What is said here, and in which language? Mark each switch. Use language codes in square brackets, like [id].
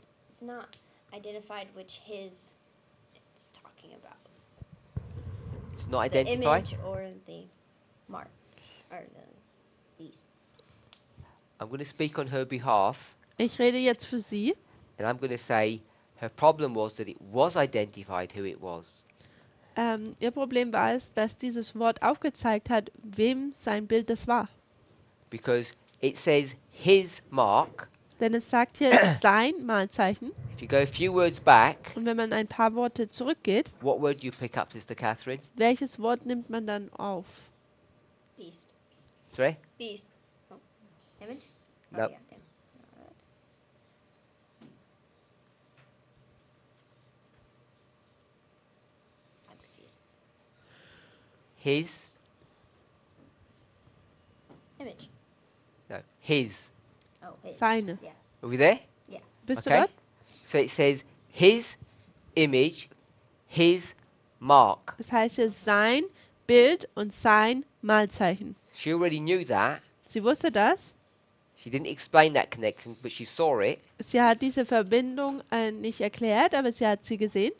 [en] It's not identified which his it's talking about. It's not identified? The image or the mark or the beast. I'm going to speak on her behalf. [de] Ich rede jetzt für sie. [en] And I'm going to say her problem was that it was identified who it was. [de] Ihr Problem war es, dass dieses Wort aufgezeigt hat, wem sein Bild das war. [en] Because it says his mark. [de] Denn es sagt hier sein Malzeichen. [en] If you go a few words back, [de] und wenn man ein paar Worte zurückgeht, [en] what word do you pick up, Sister Catherine? [de] Welches Wort nimmt man dann auf? [en] Beast. Sorry? Beast. Oh. Image? Nope. Oh, yeah. His? Image. No, his. Oh, his. [de] Seine. [en] Yeah. Are we there? Yeah. [de] Bist okay. [en] So it says his image, his mark. [de] Das heißt hier sein Bild und sein Malzeichen. [en] She already knew that. [de] Sie wusste das. [en] She didn't explain that connection, but she saw it. [de] Sie hat diese Verbindung nicht erklärt, aber sie hat sie gesehen.